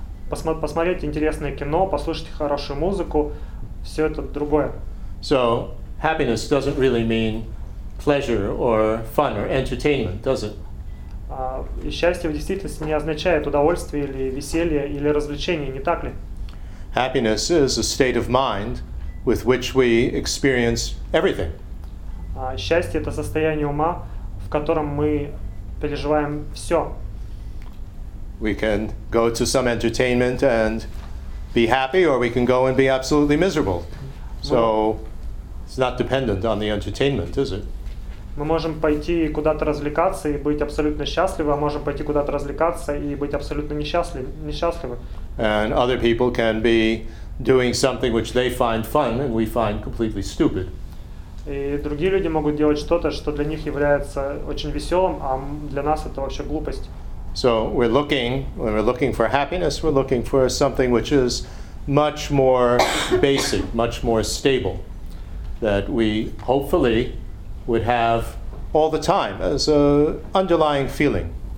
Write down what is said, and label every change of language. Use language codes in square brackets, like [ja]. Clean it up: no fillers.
[ru] Посмотреть интересное кино, послушать хорошую музыку, все это другое. [en] So, happiness doesn't really mean pleasure or fun or entertainment, does it? [ru] И счастье в действительности не означает удовольствие или веселье или развлечение, не так ли? [en] Happiness is a state of mind with which we experience everything. [ru] Счастье — это состояние ума, в котором мы переживаем все. [en] We can go to some entertainment and be happy, or we can go and be absolutely miserable. So it's not dependent on the entertainment, is it? [ru] Мы можем пойти куда-то развлекаться и быть абсолютно счастливы, а можем пойти куда-то развлекаться и быть абсолютно несчастливы. [en] And other people can be doing something which they find fun and we find completely stupid. [ru] И другие люди могут делать что-то, что для них является очень веселым, а для нас это вообще глупость. [en] So we're looking, when we're looking for happiness, we're looking for something which is much more basic, much more stable, that we hopefully would have all the time as an underlying feeling.